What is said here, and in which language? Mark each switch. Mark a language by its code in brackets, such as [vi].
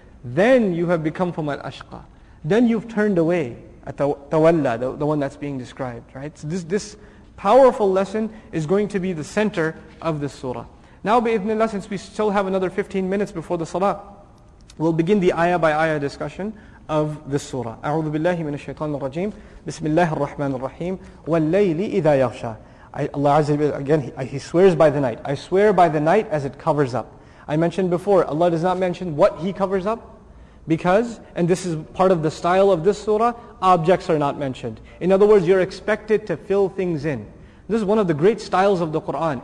[en] Then you have become from al-ashqa. Then you've turned away, tawalla, the one that's being described, right? So this powerful lesson is going to be the center of this surah. Now bi-idhnillah, since we still have another 15 minutes before the salah, we'll begin the ayah by ayah discussion of this surah. [ar] أعوذ بالله من الشيطان الرجيم بسم الله الرحمن الرحيم والليل إذا يغشى. [en] Allah Azza wa Jalla, again, He swears by the night. I swear by the night as it covers up. I mentioned before, Allah does not mention what He covers up, because, and this is part of the style of this surah, objects are not mentioned. In other words, you're expected to fill things in. This is one of the great styles of the Qur'an.